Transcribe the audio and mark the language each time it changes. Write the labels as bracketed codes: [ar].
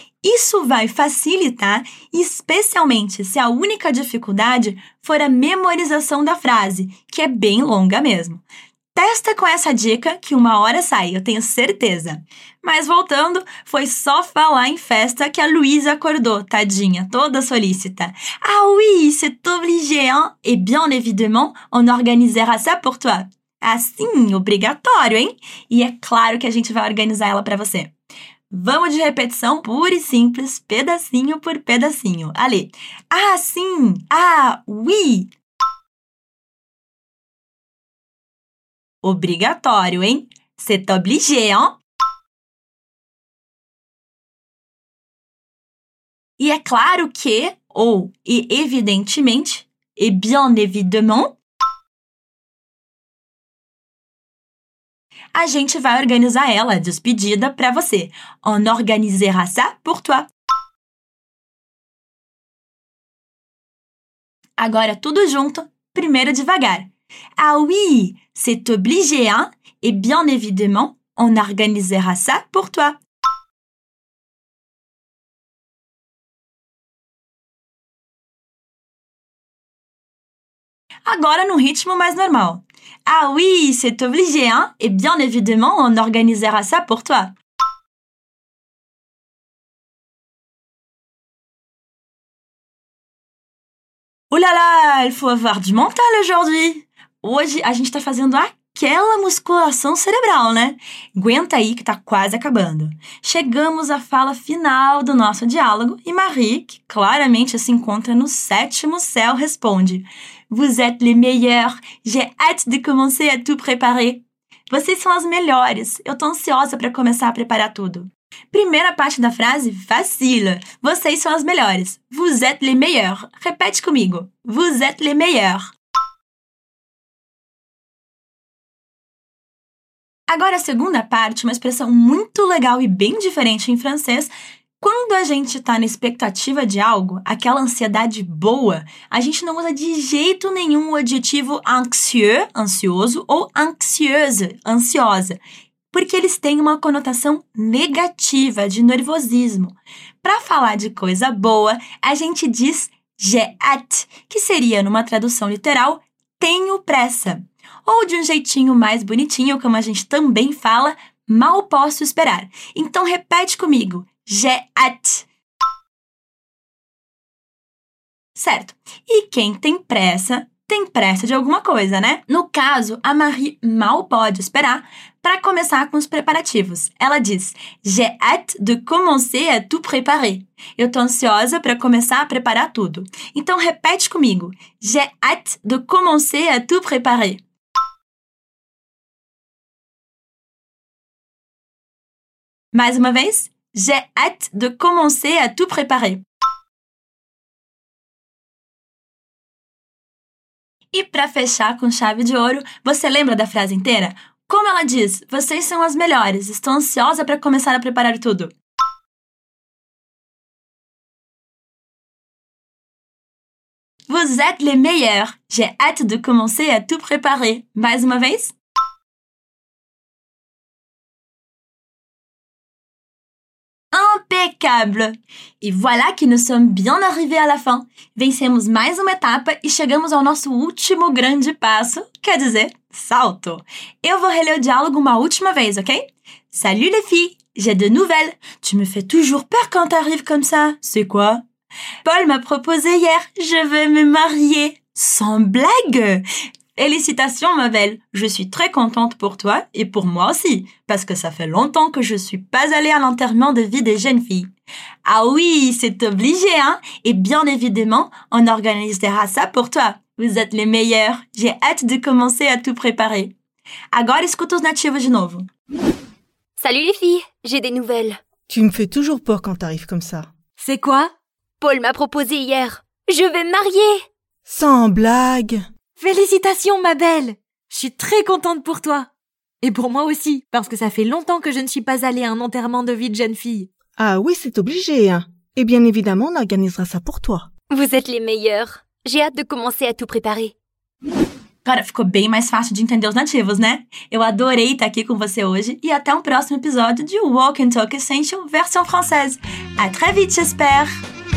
[pt] Isso vai facilitar, especialmente se a única dificuldade for a memorização da frase, que é bem longa mesmo. Testa com essa dica que uma hora sai, eu tenho certeza. Mas voltando, foi só falar em festa que a Louise acordou, tadinha, toda solícita. [fr] Ah oui, c'est obligé, hein? Et bien évidemment, on organisera ça pour toi. [pt] Ah sim, obrigatório, hein? E é claro que a gente vai organizar ela pra você. Vamos de repetição pura e simples, pedacinho por pedacinho. Ali. Ah sim, [fr] ah oui. [pt] Obrigatório, hein? [fr] C'est obligé, hein? [pt] E é claro que, ou e evidentemente, [fr] et bien évidemment. [pt] a gente vai organizar ela, a despedida, para você. [fr] On organisera ça pour toi. [pt] Agora, tudo junto, primeiro devagar. [fr] Ah oui, c'est obligé, hein? Et bien évidemment, on organisera ça pour toi. [pt] Agora num ritmo mais normal. [fr] Ah oui, c'est obligé, hein? Et bien évidemment, on organisera ça pour toi. Oulala, il faut avoir du mental aujourd'hui. [pt] Hoje a gente tá fazendo aquela musculação cerebral, né? Aguenta aí que tá quase acabando. Chegamos à fala final do nosso diálogo e Marie, que claramente se encontra no sétimo céu, responde: [fr] Vous êtes les meilleurs. J'ai hâte de commencer à tout préparer. [pt] Vocês são as melhores. Eu tô ansiosa para começar a preparar tudo. Primeira parte da frase vacila. Vocês são as melhores. [fr] Vous êtes les meilleurs. [pt] Repete comigo. [fr] Vous êtes les meilleurs. [pt] Agora a segunda parte, uma expressão muito legal e bem diferente em francês. Quando a gente está na expectativa de algo, aquela ansiedade boa, a gente não usa de jeito nenhum o adjetivo anxieux, ansioso, ou anxieuse, ansiosa, porque eles têm uma conotação negativa, de nervosismo. Para falar de coisa boa, a gente diz [fr] j'ai hâte, [pt] que seria, numa tradução literal, tenho pressa. Ou de um jeitinho mais bonitinho, como a gente também fala, mal posso esperar. Então, repete comigo. [fr] J'ai hâte. [pt] Certo. E quem tem pressa de alguma coisa, né? No caso, a Marie mal pode esperar para começar com os preparativos. Ela diz, [fr] j'ai hâte de commencer à tout préparer. [pt] Eu tô ansiosa para começar a preparar tudo. Então, repete comigo. [fr] J'ai hâte de commencer à tout préparer. [pt] Mais uma vez. [fr] J'ai hâte de commencer à tout préparer. [pt] E para fechar com chave de ouro, você lembra da frase inteira? Como ela diz, vocês são as melhores, estou ansiosa para começar a preparar tudo. [fr] Vous êtes les meilleurs. J'ai hâte de commencer à tout préparer. [pt] Mais uma vez? [fr] Impeccable! E voilà que nous sommes bien arrivés à la fin. [pt] Vencemos mais uma etapa e chegamos ao nosso último grande passo, quer dizer, salto. Eu vou reler o diálogo uma última vez, ok? [fr] Salut les filles, j'ai de nouvelles. Tu me fais toujours peur quand t'arrives comme ça. C'est quoi? Paul m'a proposé hier, je vais me marier. Sans blague! Félicitations, ma belle. Je suis très contente pour toi et pour moi aussi, parce que ça fait longtemps que je ne suis pas allée à l'enterrement de vie des jeunes filles. Ah oui, c'est obligé, hein? Et bien évidemment, on organisera ça pour toi. Vous êtes les meilleurs. J'ai hâte de commencer à tout préparer. [pt] Agora, escuta os nativos de novo. [fr] Salut les filles, j'ai des nouvelles. Tu me fais toujours peur quand t'arrives comme ça. C'est quoi? Paul m'a proposé hier. Je vais me marier. Sans blague. Félicitations, ma belle! Je suis très contente pour toi! Et pour moi aussi, parce que ça fait longtemps que je ne suis pas allée à un enterrement de vie de jeune fille. Ah oui, c'est obligé, hein? Et bien évidemment, on organisera ça pour toi. Vous êtes les meilleurs. J'ai hâte de commencer à tout préparer. [pt] Cara, ficou bem mais fácil de entender os nativos, né? Eu adorei estar aqui com você hoje e até um próximo episódio de Walk and Talk Essential versão francesa. [fr] À très vite, j'espère!